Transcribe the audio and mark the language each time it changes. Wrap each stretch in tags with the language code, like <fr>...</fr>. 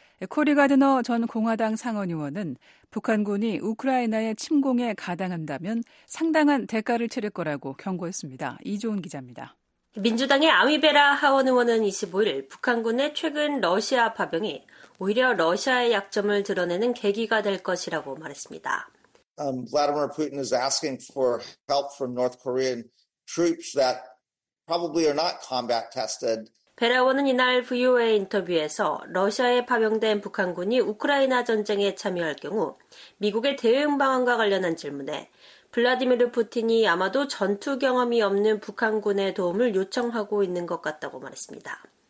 <ko>코리 가드너 전 공화당 상원의원은 북한군이 우크라이나의 침공에 가담한다면 상당한 대가를 치를 거라고 경고했습니다. 이종훈 기자입니다. 민주당의 아미베라 하원 의원은 25일 북한군의 최근 러시아 파병이 오히려 러시아의 약점을 드러내는 계기가 될 것이라고 말했습니다.</ko> <en>Vladimir Putin is asking for help from North Korean troops that probably are not combat tested.</en> <ko>베라 의원은 이날 VOA 인터뷰에서 러시아에 파병된 북한군이 우크라이나 전쟁에 참여할 경우 미국의 대응 방안과 관련한 질문에 블라디미르 푸틴이 아마도 전투 경험이 없는 북한군의 도움을 요청하고 있는 것 같다고 말했습니다.</ko>